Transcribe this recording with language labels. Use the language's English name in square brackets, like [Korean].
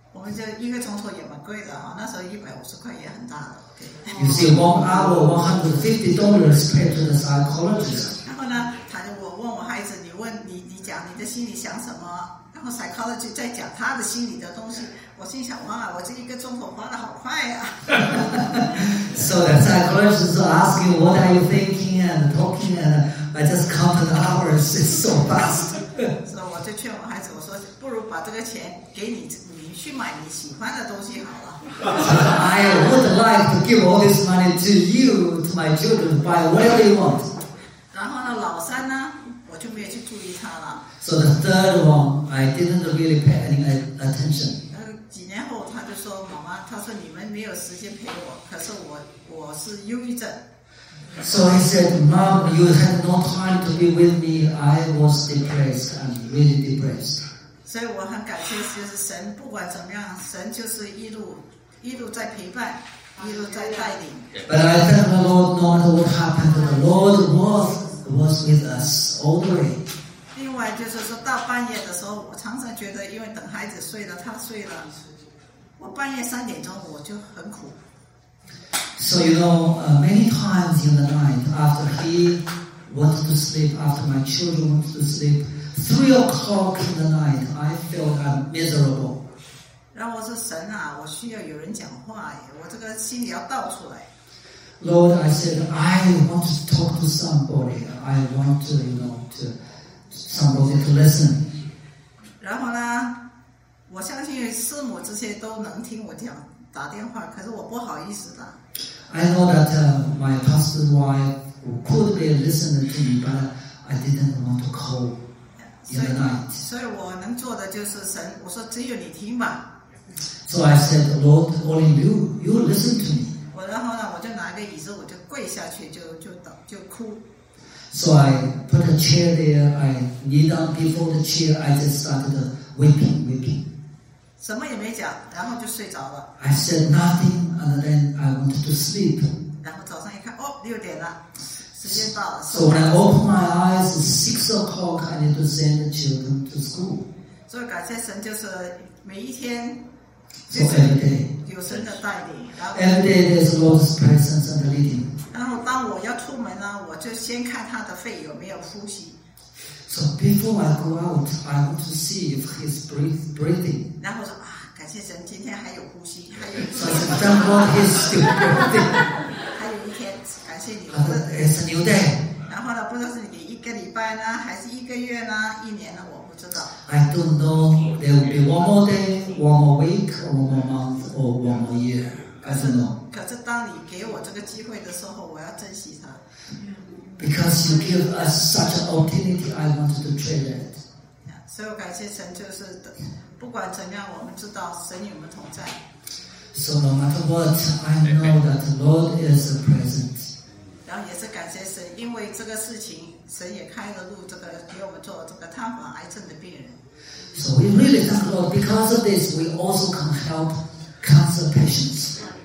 [Chinese] 们这一个钟头也蛮贵的啊，那时候150块也很大的。 [English] You see, one hour, $150 paid to the psychologist. [Chinese] 然后呢，他就我问我孩子，你问你你讲你的心里想什么？然后 psychologist 在讲他的心里的东西。我心想，哇，我这一个钟头花的好快呀、啊。 [English] So the psychologist is asking, "What are you thinking and talking?" And I just count the hours. It's so fast. [Chinese] 所以我就劝我孩子，我说，不如把这个钱给你，你去买你喜欢的东西好了。 [English] I would like to give all this money to you, to my children, buy whatever you want. [Chinese] 然后呢，老三呢，我就没有去注意他了。 [English] So the third one, I didn't really pay any attention. [Chinese] 几年后，他就说：“妈妈，他说你们没有时间陪我，可是我是忧郁症。” [English] So he said, "Mom, you had no time to be with me. I was depressed and really depressed." [Chinese] 所以我很感谢，就是神，不管怎么样，神就是一路在陪伴，一路在带领。 [English] But I thank the Lord, no matter what happened, the Lord was with us all the way. [Chinese] 另外就是说到半夜的时候，我常常觉得，因为等孩子睡了，他睡了，我半夜3点钟我就很苦。 [English] So you know, many times in the night after he wanted to sleep, after my children wanted to sleep, 3 o'clock in the night, I felt I'm miserable. [Chinese] 然后我说神啊，我需要有人讲话，我这个心里要倒出来。 [English] Lord, I said I want to talk to somebody. I want to, you know, to somebody to listen. [Chinese] 然后呢，我相信师母这些都能听我讲打电话，可是我不好意思的。 [English] I know that my pastor's wife could be listening to me, but I didn't want to call in the night. [Chinese] 所以我能做的就是神，我说只有你听吧。 [English] So I said, Lord, only you listen to me. [Chinese] 我然后呢，我就拿个椅子，我就跪下去，就哭。 [English] So I put a chair there. I kneel down before the chair. I just started weeping. [Chinese] 什么也没讲，然后就睡着了。 [English] I said nothing, and then I wanted to sleep. [Chinese] 然后早上一看，哦，6点了，时间到了。 [English] So when I opened my eyes, 6 o'clock, I need to send the children to school. [Chinese] 所以感谢神，就是每一天。 [English] So every day, there's Lord's presence and leading. [Chinese] 然后当我要出门呢，我就先看他的肺有没有呼吸。 [English] So before I go out, I want to see if he's breathing. [Chinese] 然后说啊，感谢神，今天还有呼吸，还有。 [English] So thank God he's still breathing. [Chinese] 还有一天，感谢你。 [English] It's a new day. [Chinese] 然后呢，不知道是你一个礼拜呢，还是一个月呢，一年呢，我不知道。 [English] I don't know. There will be one more day. One more week, one more month, or one more year. I don't know. [Chinese] 可是当你给我这个机会的时候，我要珍惜它。 [English] Because you give us such an opportunity, I wanted to treasure it. [Chinese] 所以我感谢神，就是不管怎样，我们知道神与我们同在。 [English] So no matter what, I know that the Lord is present. [Chinese] 然后也是感谢神，因为这个事情，神也开了路，这个给我们做这个探访癌症的病人。 [English] So we really thank God because of this, we also can help cancer patients.